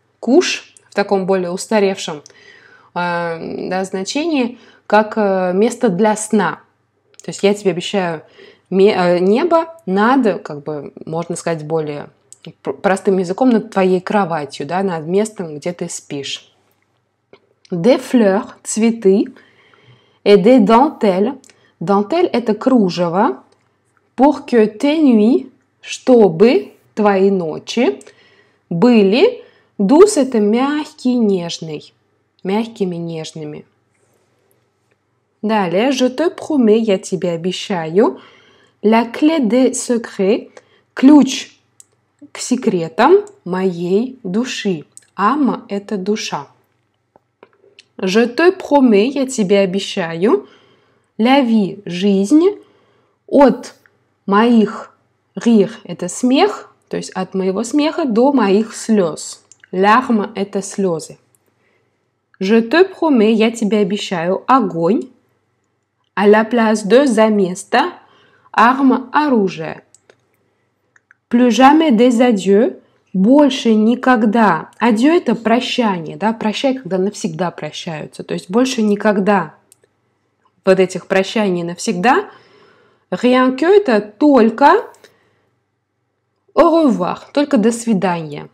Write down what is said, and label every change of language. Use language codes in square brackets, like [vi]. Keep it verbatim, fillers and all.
[ru] куш в таком более устаревшем э, да, значении, как э, место для сна. То есть я тебе обещаю ме- э, небо над, как бы, можно сказать, более пр- простым языком, над твоей кроватью, да, над местом, где ты спишь. [fr] Des fleurs, [ru] цветы, [fr] et des dentelles. [ru] Dentelle – это кружево. [fr] Pour que tes nuits, [ru] чтобы твои ночи были. Douce – это мягкий, нежный. Мягкими, нежными. Далее, [fr] je te promets, [ru] я тебе обещаю. [fr] La clé des secrets, [ru] ключ к секретам моей души. Âme – это душа. [fr] Je te promets, [ru] я тебе обещаю. La vie – жизнь. От моих rire – это смех, то есть от моего смеха до моих слез. Larme – это слезы. [fr] Je te promets, [ru] я тебе обещаю. Огонь. [fr] À la place de, [ru] за место. Arme – оружие. [fr] Plus jamais des adieux. [ru] Больше никогда. Adieu – это прощание, да, прощай, когда навсегда прощаются. То есть больше никогда вот этих прощаний навсегда. [fr] Rien que [ru] – это только. [fr] Au revoir [ru] – только до свидания.